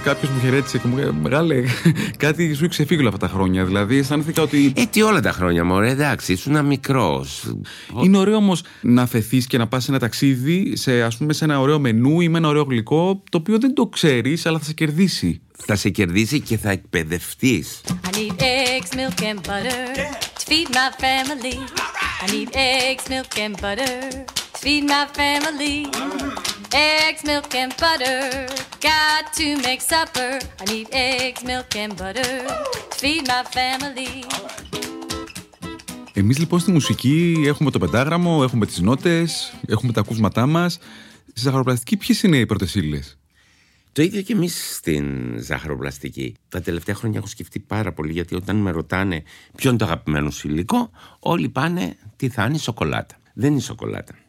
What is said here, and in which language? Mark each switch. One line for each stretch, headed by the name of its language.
Greek: Κάποιος μου χαιρέτησε και μου είπε: μεγάλε, κάτι σου είχε ξεφύγει όλα αυτά τα χρόνια. Δηλαδή, αισθάνθηκα ότι. Τι όλα τα χρόνια, μωρέ, εντάξει, ήσουν μικρός. Είναι ωραίο όμως να αφαιθείς και να πας σε ένα ταξίδι, ας πούμε, σε ένα ωραίο μενού ή με ένα ωραίο γλυκό, το οποίο δεν το ξέρεις, αλλά θα σε κερδίσει. Θα σε κερδίσει και θα εκπαιδευτείς.
English: I need eggs, milk and butter yeah. to feed my family. Right. I need eggs, milk and butter. Feed my family eggs, milk and butter. Got to make supper. I need eggs, milk and butter to feed my family.
Greek: Εμείς λοιπόν στη μουσική έχουμε το πεντάγραμμο, έχουμε τις νότες, έχουμε τα ακούσματά μας. Στη ζαχαροπλαστική ποιες είναι οι πρώτες ύλες? Το ίδιο και εμείς στην ζαχαροπλαστική. Τα τελευταία χρόνια έχω σκεφτεί πάρα πολύ, γιατί όταν με ρωτάνε ποιο είναι το αγαπημένο σου υλικό, όλοι πάνε τι θα είναι, σοκολάτα. Δεν είναι σοκολάτα.